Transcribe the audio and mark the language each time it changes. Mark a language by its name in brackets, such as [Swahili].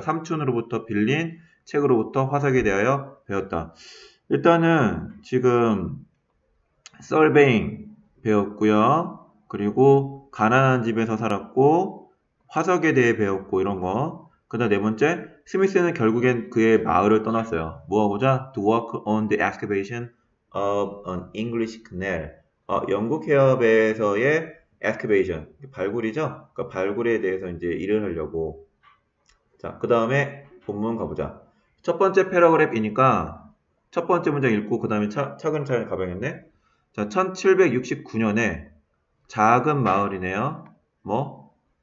[Korean] 그러니까 삼촌으로부터 빌린 책으로부터 화석에 대하여 배웠다. 일단은 지금 surveying 배웠고요. 그리고 가난한 집에서 살았고 화석에 대해 배웠고 이런 거. 그다음 네 번째, 스미스는 결국엔 그의 마을을 떠났어요. 뭐하고자? [English] To work on the excavation of an English canal. [Korean] 영국 해협에서의 excavation, 발굴이죠? 그러니까 발굴에 대해서 이제 일을 하려고. 자, 그 다음에 본문 가보자. 첫 번째 패러그래프이니까 첫 번째 문장 읽고 그 다음에 차근차근 가보겠네. 자, 1769년에 작은 마을이네요. 뭐?